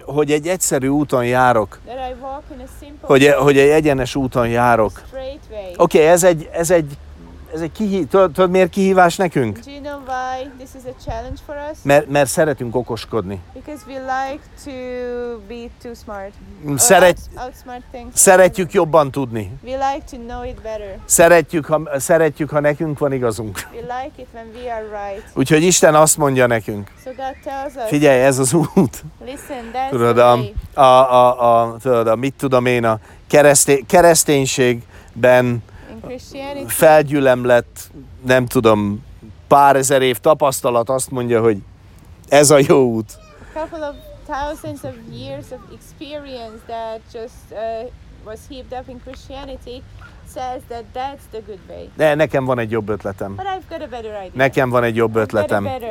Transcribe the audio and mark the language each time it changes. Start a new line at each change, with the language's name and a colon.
Hungarian: Hogy egy egyszerű úton járok. Hogy egy egyenes úton járok. Oké, ez egy tudod, miért kihívás nekünk?
English: Do you know why this is a challenge for us?
Hungarian: Mert szeretünk okoskodni.
English: Because we like to be too smart. Outsmart things.
Hungarian: Szeretjük jobban tudni.
English: We like to know it better.
Hungarian: Szeretjük, ha nekünk van igazunk.
English: We like it when we are right.
Hungarian: Úgyhogy Isten azt mondja nekünk.
English: So God tells us.
Hungarian: Figyelj, ez az út.
English: Listen, that's
Hungarian: tudod, mit tudom én, a kereszténységben felgyülemlett, nem tudom, pár ezer év tapasztalat azt mondja, hogy ez a jó út.
English: Couple of thousands of years of experience that just was heaped up in Christianity says that that's the good way.
Hungarian: De nekem van egy jobb ötletem.
English: But I've got a better idea.
Hungarian: Nekem van egy jobb ötletem.